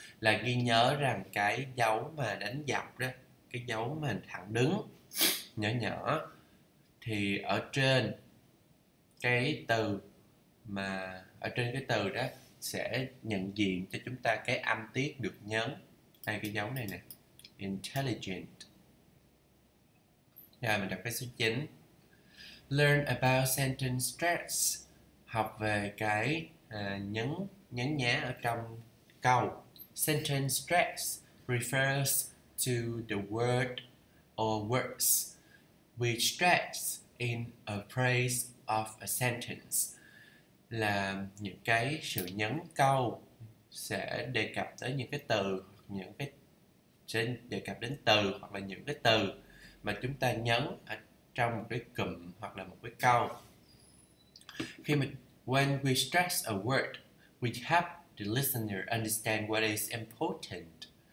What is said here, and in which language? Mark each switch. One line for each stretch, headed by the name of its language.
Vietnamese: Là ghi nhớ rằng cái dấu mà đánh dọc đó, cái dấu mà thẳng đứng nhỏ nhỏ thì ở trên cái từ mà ở trên cái từ đó sẽ nhận diện cho chúng ta cái âm tiết được nhấn. Đây cái dấu này nè, intelligent. Rồi mình đọc cái số 9.
English: Learn about sentence stress.
Vietnamese: Học về cái nhấn nhá ở trong câu.
English: Sentence stress refers to the word or words which stress in a phrase of a sentence.
Vietnamese: Là những cái sự nhấn câu sẽ đề cập tới những cái từ, những cái sẽ đề cập đến từ hoặc là những cái từ mà chúng ta nhấn ở trong một cái cụm hoặc là một cái câu. Khi mà
English: when we stress a word, we have the listener understand what is important.